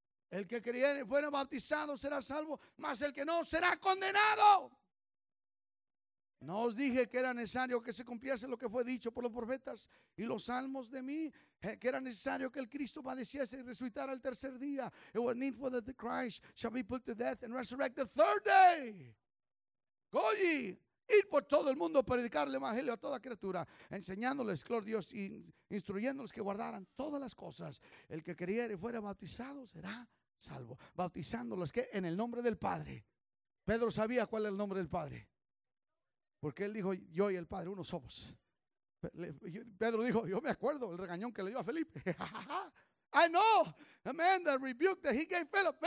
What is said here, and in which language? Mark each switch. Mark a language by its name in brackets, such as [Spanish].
[Spanish] El que creyere y fuera bautizado será salvo, mas el que no será condenado. No os dije que era necesario que se cumpliese lo que fue dicho por los profetas y los salmos de mí, que era necesario que el Cristo padeciese y resucitara el tercer día. [English] It was needful that the Christ shall be put to death and resurrect the third day. [Spanish] Go ye, ir por todo el mundo, predicar el evangelio a toda criatura, enseñándoles, gloria a Dios, y instruyéndoles que guardaran todas las cosas. El que creyere y fuera bautizado será salvo. Bautizándolos, ¿qué? En el nombre del Padre. Pedro sabía cuál era el nombre del Padre. Porque él dijo, yo y el Padre, uno somos. Pedro dijo, yo me acuerdo el regañón que le dio a Felipe. [English] I know, the man, the rebuke that he gave Philip.